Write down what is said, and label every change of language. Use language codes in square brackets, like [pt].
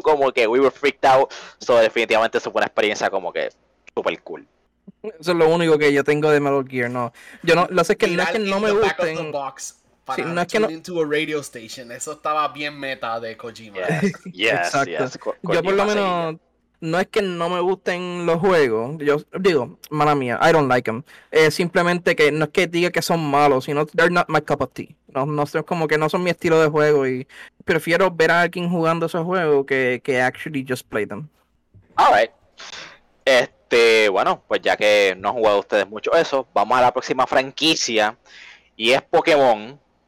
[es] Como que [en] we were freaked out. [es] So definitivamente eso fue una experiencia como que super cool. Eso es lo único que yo tengo de Metal Gear, no. Yo no, lo sé, es que no me gusten. Sí, no es que no. [en] Into a radio station. [es] Eso estaba bien meta de Kojima. [en] Yes, exacto. Yes. [es] Yo por lo menos, no es que no me gusten los juegos. Yo digo, mala mía, [en] I don't like them. [es] Simplemente que no es que diga que son malos, sino [en] they're not my cup of tea. [es] No son como que no son mi estilo de juego y prefiero ver a alguien jugando esos juegos que [en] actually just play them. All right. [es] Bueno, pues ya que no han jugado ustedes mucho eso, vamos a la próxima franquicia y es Pokémon.